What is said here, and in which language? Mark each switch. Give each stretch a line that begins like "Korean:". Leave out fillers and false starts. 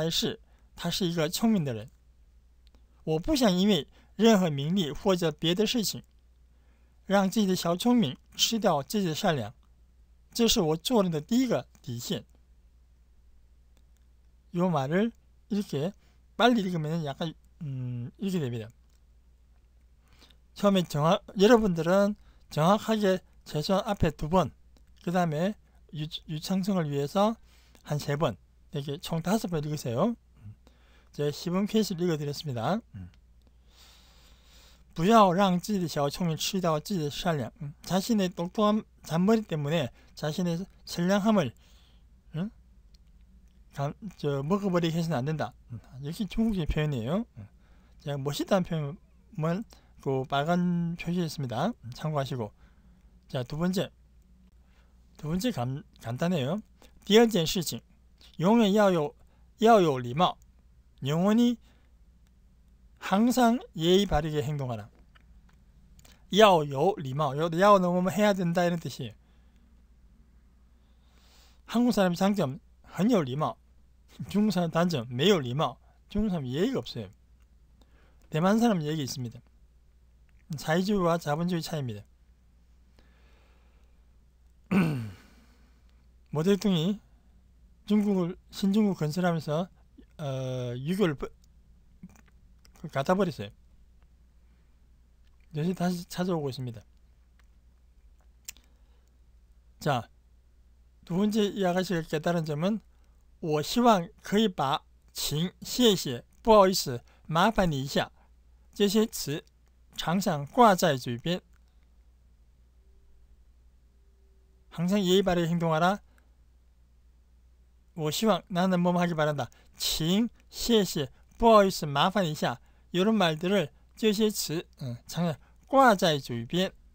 Chinese: 第一件事，永远把聪明放在善良后面。我希望别人说起我的时候，第一个想到的是，他是一个善良的人，然后才是他是一个聪明的人。我不想因为任何名利或者别的事情，让自己的小聪明吃掉自己的善良，这是我做人的第一个底线。
Korean: 요 말을 이렇게 빨리 읽으면 약간 이렇게 됩니다. 처음에 여러분들은 정확하게 최소한 앞에 두 번, 그 다음에 유창성을 위해서 한세 번, 이렇게 총 다섯 번 읽으세요. 제가 10번 퀘스트 읽어드렸습니다.
Chinese: 不要让自己的小聪明吃掉自己的善良.
Korean: 자신의 똑똑한 잔머리 때문에 자신의 선량함을 먹어버리게 해서는 안 된다. 역시 중국의 표현이에요. 제가 멋있다는 표현은 그 빨간 표시했습니다. 참고하시고. 자, 두 번째 간단해요.
Chinese: 第二件事情,
Korean: 영어
Chinese: 要有 礼貌.
Korean: 영원히 항상 예의 바르게 행동하라.
Chinese: 要有 礼貌. 要
Korean: 넘으면 해야 된다 이런 뜻이에요. 한국 사람의 장점,
Chinese: 很有 礼貌.
Korean: 중국 사람 단점,
Chinese: 没有 礼貌.
Korean: 중국 사람 예의가 없어요. 대만 사람 예의가 있습니다. 사회주의와 자본주의 차이입니다. 모택동이 신중국 건설하면서 유교를 갖다버렸어요. 요새 다시 찾아오고 있습니다. 자, 두 번째 이 아가씨가 깨달은 점은
Chinese: 我希望可以把请谢谢不好意思麻烦你一下这些词
Korean: 항상
Chinese: 挂在
Korean: 주변. 항상 예의 바르게 행동하라.
Chinese: 我希望
Korean: 나는 뭐뭐 하길 바란다.
Chinese: 请谢谢不好意思麻烦一下
Korean: 이런 말들을
Chinese: 这些词
Korean: 항상
Chinese: 挂在
Korean: 주변.